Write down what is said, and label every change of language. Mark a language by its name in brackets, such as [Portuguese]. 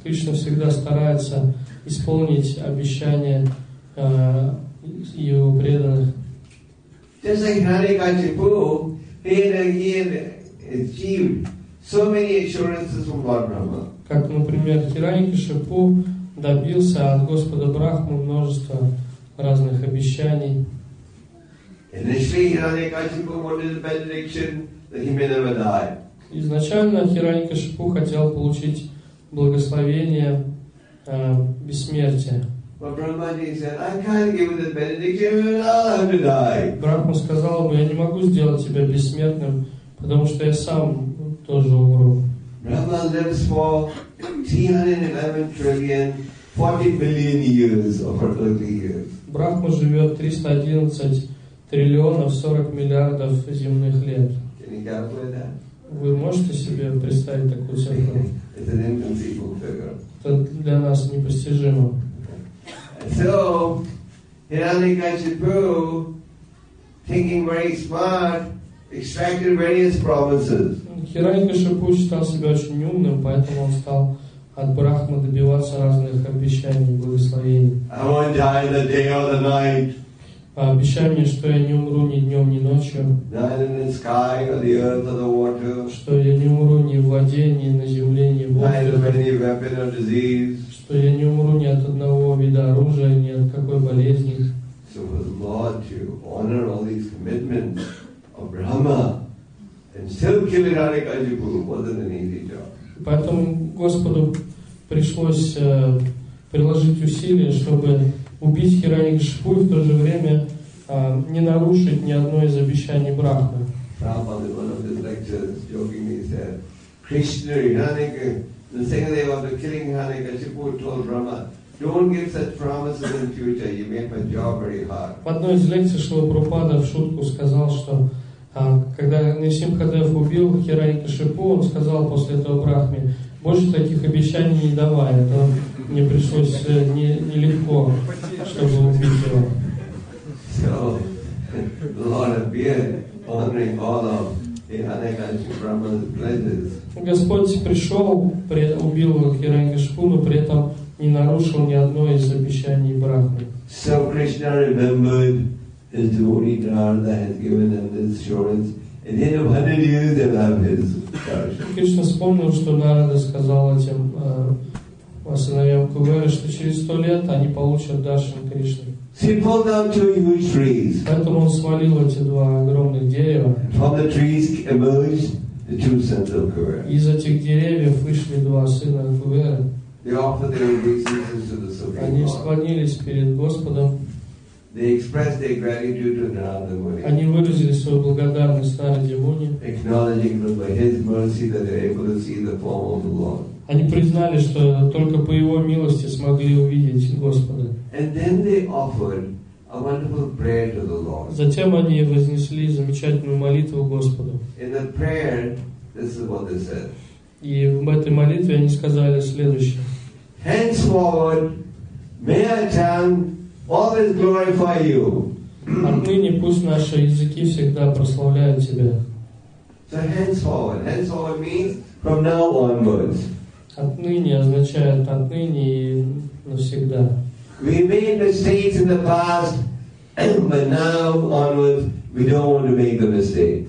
[Russian] Кришна всегда старается исполнить обещания его преданных. [English] Just like Hanikachipu, he again achieved so many assurances from Lord Brahma. [Russian] Как, например, Хиранькашипу добился от Господа Брахмы множества разных обещаний. [English] Initially, Hiranyakashipu wanted the benediction that he may never die. [Russian] Изначально Хиранькашипу хотел получить благословение бессмертия. [English] But Brahmaji said, I can't give you the benediction, you will all have to die. [Russian] Брахма сказал бы, я не могу сделать тебя бессмертным, потому что я сам тоже умру. [English] Brahma lives for 311 trillion 40 billion years of earthly years. [Russian] Брахма живет [English] 311 trillion 40 billion [Russian] земных лет. [English] Can you calculate that? [Russian] Вы можете себе представить такую цифру? [English] It's an inconceivable figure. [Russian] Это для нас непостижимо. [English] So, Hiranyakashipu, thinking very smart, extracted various promises. [Russian] Хиранькашипу считал себя очень умным, поэтому он стал от Брахмы добиваться разных обещаний, благословений. [English] I won't die the day or the night. [Russian] Обещай мне, что я не умру ни днем, ни ночью. [English] Not in the sky, or the earth, or the water. [Russian] Что я не умру ни в воде, ни на земле, ни в воздухе. Что я не умру ни от одного вида оружия, ни от какой болезни. [English] So for the Lord to honor all these commitments of Brahma and still kill Hiranyakashipu wasn't an easy job. [Russian] Поэтому Господу пришлось приложить усилия, чтобы убить Хиранькашипу и в то же время не нарушить ни одно из обещаний Брахмы. [English] Prabhupada in one of his lectures jokingly said, Krishna Hiranyakashipu, the second day after killing Hiranyakashipu told Brahma, don't give such promises in future, you make my job very hard. [Russian] В одной из лекций Шрила Прабхупада в шутку сказал, что когда Нарсимхадев убил Хиранькашипу, он сказал после этого Брахме, больше таких обещаний не давай. Это мне пришлось нелегко, чтобы убить его. [English] So, the Lord appeared, honoring all of Hiranyakashipu Brahma's pledges. [Russian] Господь пришел, убил Хиранькашипу, но при этом не нарушил ни одно из обещаний Брахмы. [English] So, Krishna remembered his devotee Narada has given him this assurance. And then of 100 years they'll have his darshan. [Russian] Кришна вспомнил, что Нарада сказал этим сыновьям Кувера, что через 100 лет они получат даршан Кришны. [English] So he pulled down two huge trees. [Russian] Поэтому он свалил эти два огромных дерева. [English] From the trees emerged the two sons of Kuvera. [Russian] Из этих деревьев вышли два сына Кувера. [English] They offered their obeisances to the Supreme Lord. [Russian] Они склонились перед Господом. [English] They expressed their gratitude to Narada Muni. [Russian] Они выразили свою благодарность Нараде Муни. [English] Acknowledging that by His mercy that they are able to see the form of the Lord. [Russian] Они признали, что только по Его милости смогли увидеть Господа. [English] And then they offered a wonderful prayer to the Lord. [Russian] Затем они вознесли замечательную молитву Господу. [English] In the prayer, this is what they said. [Russian] И в этой молитве они сказали следующее. [English] Henceforward, may I chant always glorify you. [Russian] Отныне пусть наши языки всегда прославляют Тебя. [English] So henceforward. Henceforward means from now onwards. [Russian] Отныне означает отныне и навсегда. [English] We made mistakes in the past, but now onwards we don't want to make the mistake.